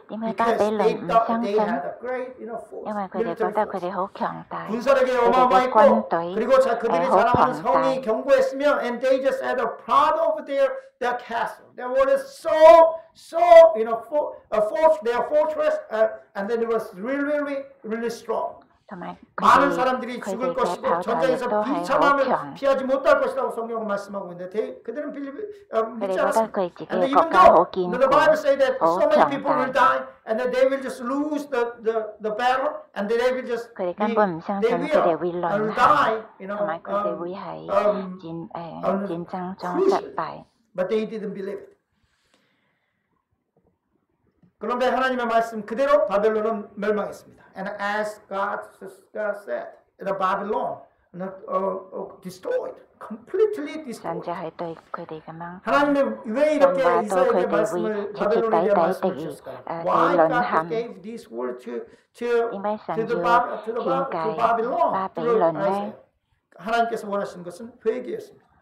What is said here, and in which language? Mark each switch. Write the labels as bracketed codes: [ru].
[en] Because they thought they had a great force. [ko] 군사력이 어마어마했고 그리고 그들이 자랑하는 성이 경고했으며 [en] and they just had a proud of their castle. They were their fortress and then it was really really really strong. [ko] 많은 사람들이 죽을 것이고 전쟁에서 비참함을 피하지 못할 것이라고 성경은 말씀하고 있는데 그들은 믿지 않았습니다. [en] And even though the Bible says that so many people will die and that they will just lose the battle and that they will just But they didn't believe it. [ko] 그런데 하나님의 말씀 그대로 바벨론은 멸망했습니다. [en] And as God said, the Babylon destroyed, completely destroyed. [ko] 하나님은 왜 이렇게 이스라엘의 말씀을 바벨론에 대한 말씀을 주셨을까요? [en] Why God gave this word to Babylon? [ko] 하나님께서 원하신 것은 회개였습니다.